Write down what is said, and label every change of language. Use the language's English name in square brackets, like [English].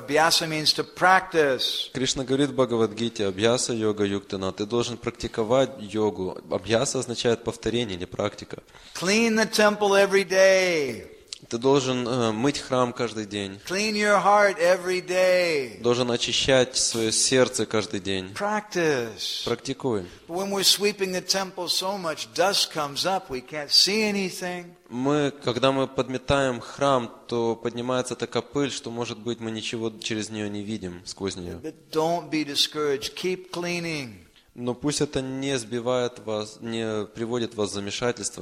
[English] Abhyasa means to practice. [Russian] Кришна говорит в Бхагавадгите, Абьяса Йога Юктена, ты должен практиковать йогу. Абьяса означает повторение, не практика. [English] Clean the temple every day. [Russian] Ты должен мыть храм каждый день. [English] Clean your heart every day. [Russian] Должен очищать свое сердце каждый день. [English] Practice. [Russian] Практикуй. [English] When we're sweeping the temple so much dust comes up, we can't see anything. [Russian] Мы, когда мы подметаем храм, то поднимается такая пыль, что, может быть, мы ничего через нее не видим, сквозь нее. [English] But don't be discouraged. Keep cleaning. [Russian] Но пусть это не сбивает вас, не приводит вас в замешательство.